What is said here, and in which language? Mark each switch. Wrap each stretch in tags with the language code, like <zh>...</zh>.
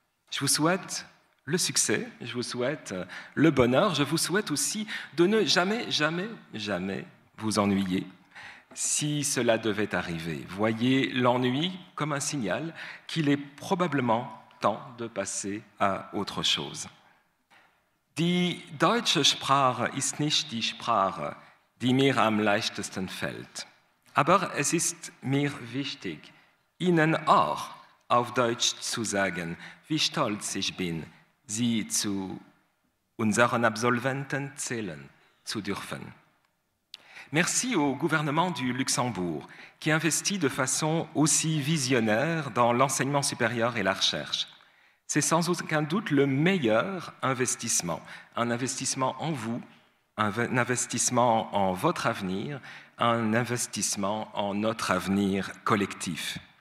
<fr>Je vous souhaite le succès, je vous souhaite le bonheur, je vous souhaite aussi de ne jamais, jamais, jamais vous ennuyer. Si cela devait arriver, voyez l'ennui comme un signal qu'il est probablement temps de passer à autre chose.</fr> <de>Die deutsche Sprache ist nicht die Sprache, die mir am leichtesten fällt. Aber es ist mir wichtig, Ihnen auch auf Deutsch zu sagen, wie stolz ich bin, Sie zu unseren Absolventen zählen zu dürfen.</de> <fr>Merci au gouvernement du Luxembourg qui investit de façon aussi visionnaire dans l'enseignement supérieur et la recherche. C'est sans aucun doute le meilleur investissement, un investissement en vous, un investissement en votre avenir, un investissement en notre avenir collectif.</fr>